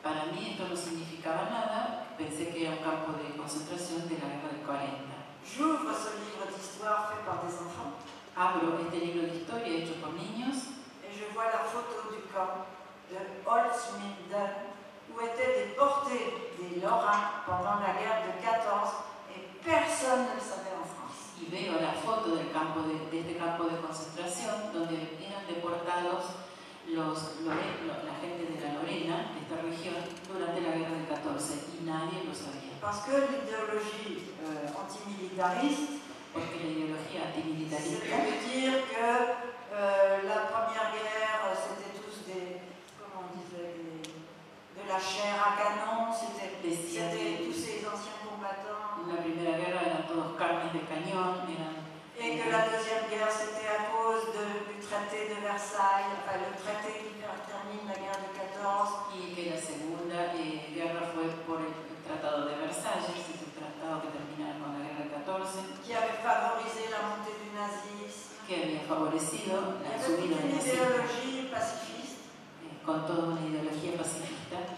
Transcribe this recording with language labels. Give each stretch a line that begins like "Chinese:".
Spanish: Para mí esto no significaba nada, pensé que era un campo de concentración de la guerra de 40.
French: J'ouvre ce livre d'histoire fait par des enfants.
Spanish: Abro este libro de historia hecho por niños.
French: Et je vois la photo du camp de Holzminden, où étaient déportés des Lorrains pendant la guerre de 14, et personne ne le savait en France.
Spanish: Y veo la foto del campo de este campo de concentración, donde eran deportados la gente de la Lorena, de esta región, durante la guerra de 14, y nadie lo sabía.
French: Parce que l'idéologie antimilitariste,
Spanish: porque la ideología antimilitarista,
French: ça veut dire que la première guerre, c'était tous des, comment on disait, de la chair à canon, c'était tous ces anciens combattants.
Spanish: La primera guerra eran todos carnes de cañón, eran.
French: Et que la deuxième guerre, c'était à cause du traité de Versailles, enfin le traité qui termine la guerre de 14. Et que la seconde guerre
Spanish: fue por el tratado de Versailles,
French: c'est
Spanish: un tratado que termina con la guerra de 14.
French: Qui avait favorisé la montée du nazisme.
Spanish: Que había favorecido la subida del nazismo. Y había una ideología pacifista. Con toda una ideología pacifista.